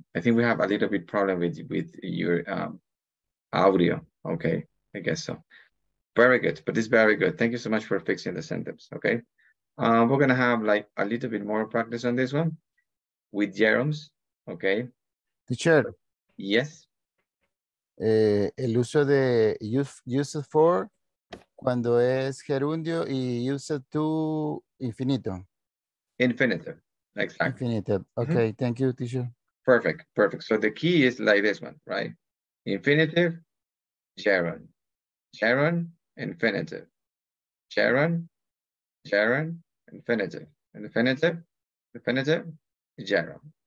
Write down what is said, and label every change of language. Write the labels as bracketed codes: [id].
[en] I think we have a little bit problem with your audio. Okay, I guess so. Very good, but it's very good. Thank you so much for fixing the sentence, okay? We're gonna have like a little bit more practice on this one with Jerome's, okay? Teacher. Yes. [es] El uso de used for cuando es gerundio y used to infinito. [en] Infinitive, exactly. Infinitive, okay, mm-hmm. Thank you, teacher. Perfect. So the key is like this one, right? Infinitive, gerund. Gerund. Infinitive. Gerund, gerund, infinitive. Infinitive, infinitive, gerund.